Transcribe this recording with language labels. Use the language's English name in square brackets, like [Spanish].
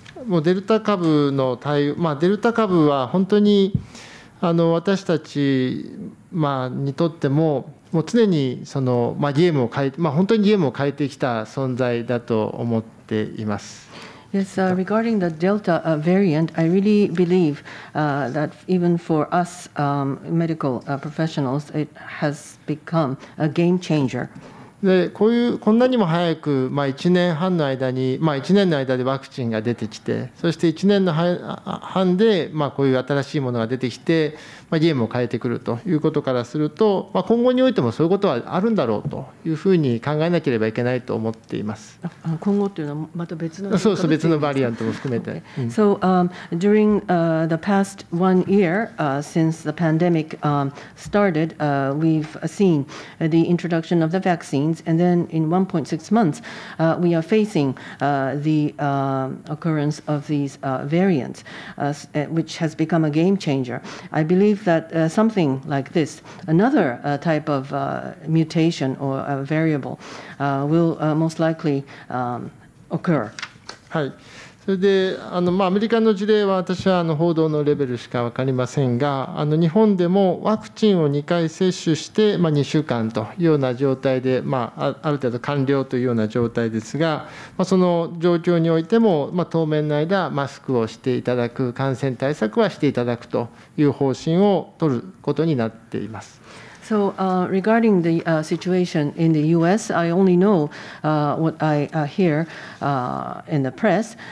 [Japanese] もうデルタ株の対応、まあデルタ株は本当に私たち、まあ、にとっても、もう常にその、まあ、ゲームを変え、まあ本当にゲームを変えてきた存在だと思っています。 [English] Yes, regarding the Delta variant, I really believe that even for us medical professionals, it has become a game changer. [Japanese] で、こういう、こんなにも早く、まあ、1年半の間に、まあ、1年の間でワクチンが出てきて、そして1年の半で、まあ、こういう新しいものが出てきて、まあ、ゲームを変えてくるということからすると、まあ、今後においてもそういうことはあるんだろうというふうに考えなければいけないと思っています。今後というのはまた別の、そうそう、別のバリアントも含めて。 [English] Okay. So, during the past one year, since the pandemic started, we've seen the introduction of the vaccines, and then in 1.6 months, we are facing the occurrence of these variants, which has become a game changer. I believeBelieve that something like this, another type of mutation or a variable, will most likely occur. [Japanese] はい。それで、まあ、アメリカの事例は私は報道のレベルしか分かりませんが、日本でもワクチンを2回接種して、まあ、2週間というような状態で、まあ、ある程度完了というような状態ですが、まあ、その状況においても、まあ、当面の間マスクをしていただく、感染対策はしていただくという方針を取ることになっています。 [English] So regarding the situation in the U.S., I only know what I hear in the press.